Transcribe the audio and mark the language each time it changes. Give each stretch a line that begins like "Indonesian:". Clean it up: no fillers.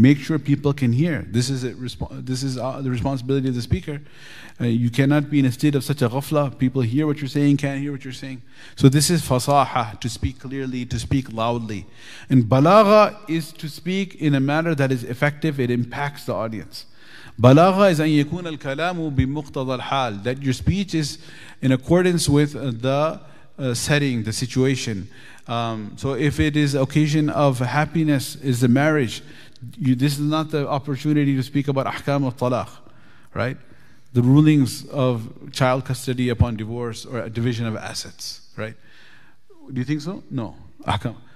English: Make sure people can hear. This is the responsibility of the speaker. You cannot be in a state of such a ghafla. People hear what you're saying, can't hear what you're saying. So this is fasaha, to speak clearly, to speak loudly. And balagha is to speak in a manner that is effective. It impacts the audience. Balagha is
Arabic: أن يكون الكلام بمقتضى الحال.
English: That your speech is in accordance with the setting, the situation. So if it is occasion of happiness, is the marriage, this is not the opportunity to speak about ahkam of talaq, right? The rulings of child custody upon divorce or a division of assets, right? Do you think so? No. Ahkam.